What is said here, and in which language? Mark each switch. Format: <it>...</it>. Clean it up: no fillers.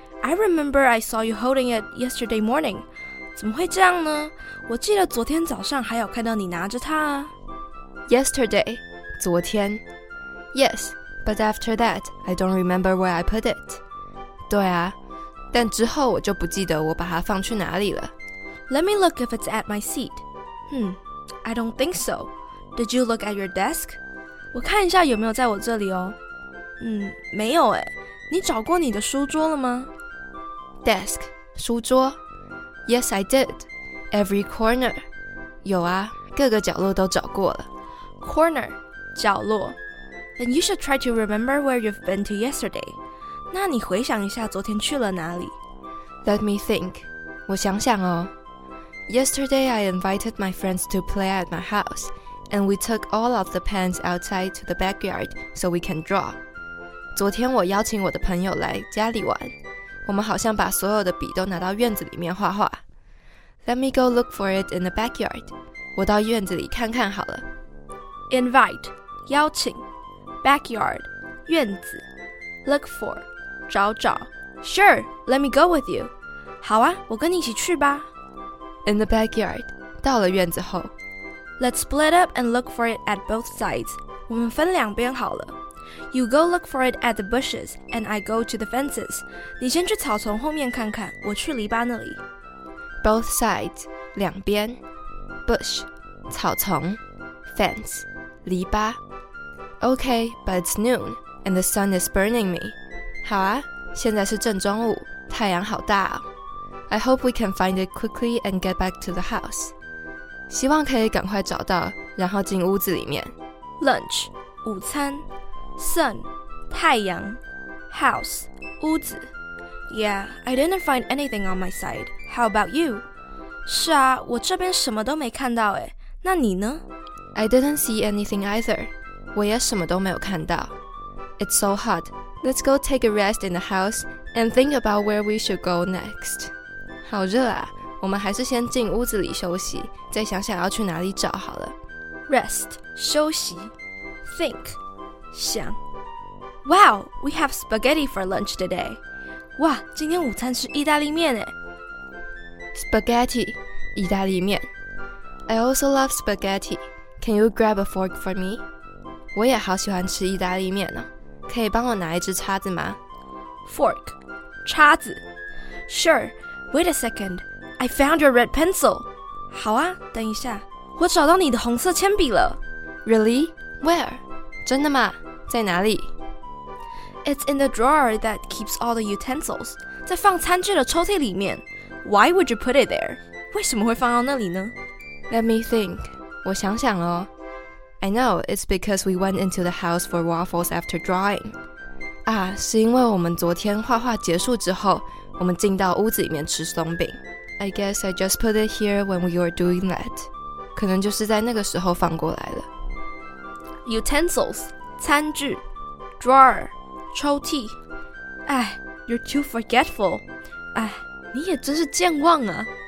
<en>I remember I saw you holding it yesterday morning.</en> <zh>怎么会这样呢？我记得昨天早上还有看到你拿着它啊。</zh> <en>Yesterday, 昨天。Yes. But after that, I don't remember where I put it.</en> <zh>对啊，但之后我就不记得我把它放去哪里了。</zh> <en>Let me look if it's at my seat. I don't think so. Did you look at your desk?</en> <zh>我看一下有没有在我这里哦。没有诶。你找过你的书桌了吗？</zh> <en>Desk, 书桌。Yes, I did. Every corner.</en> <zh>有啊，各个角落都找过了。</zh> <en>Corner, 角落。 Then you should try to remember where you've been to yesterday.</en> <zh>那你回想一下昨天去了哪里。</zh> <en>Let me think.</en> <zh>我想想哦。</zh> <en>Yesterday I invited my friends to play at my house, and we took all of the pens outside to the backyard so we can draw.</en> <zh>昨天我邀请我的朋友来家里玩。我们好像把所有的笔都拿到院子里面画画。</zh> <en>Let me go look for it in the backyard.</en> <zh>我到院子里看看好了。</zh> <en>Invite, 邀请。Backyard, 院子。 Look for, 找找。Sure, let me go with you.</en> <zh>好啊，我跟你一起去吧。</zh> <en>In the backyard, 到了院子后。 Let's split up and look for it at both sides.</en> <zh>我们分两边好了。</zh> <en>You go look for it at the bushes, and I go to the fences.</en> <zh>你先去草丛后面看看，我去篱笆那里。</zh> <en>Both sides, 两边。Bush, 草丛。 Fence, 篱笆。 Okay, but it's noon, and the sun is burning me.</en> <zh>好啊，现在是正中午，太阳好大哦。</zh> <en>I hope we can find it quickly and get back to the house.</en> <zh>希望可以赶快找到，然后进屋子里面。</zh> <en>Lunch, 午餐。Sun, 太阳。 House, 屋子。Yeah, I didn't find anything on my side. How about you?</en> <zh>是啊，我这边什么都没看到诶，那你呢？</zh> <en>I didn't see anything either.</en> <zh>我也什么都没有看到。</zh> <en>It's so hot. Let's go take a rest in the house and think about where we should go next.</en> <zh>好热啊，我们还是先进屋子里休息，再想想要去哪里找好了。</zh> <en>Rest, 休息。Think, 想。 Wow, we have spaghetti for lunch today.</en> <zh>哇，今天午餐是意大利面耶。</zh> <en>Spaghetti, 意大利面。I also love spaghetti. Can you grab a fork for me?</en> <zh>我也好喜欢吃意大利面呢，可以帮我拿一只叉子吗？</zh> <en>Fork, 叉子。 Sure, wait a second, I found your red pencil.</en> <zh>好啊，等一下，我找到你的红色铅笔了。</zh> <en>Really? Where?</en> <zh>真的吗？在哪里？</zh> <en>It's in the drawer that keeps all the utensils.</en> <zh>在放餐具的抽屉里面。</zh> <en>Why would you put it there?</en> <zh>为什么会放到那里呢？</zh> <en>Let me think,</en> <zh>我想想哦。</zh> <en>I know, it's because we went into the house for waffles after drawing.</en> <zh>啊，是因为我们昨天画画结束之后，我们进到屋子里面吃松饼。</zh> <en>I guess I just put it here when we were doing that.</en> <zh>可能就是在那个时候放过来了。</zh> <en>Utensils, 餐具。Drawer, 抽屉。</en> <zh>哎，</zh> <en>you're too forgetful.</en> <zh>哎，你也真是健忘啊。</zh>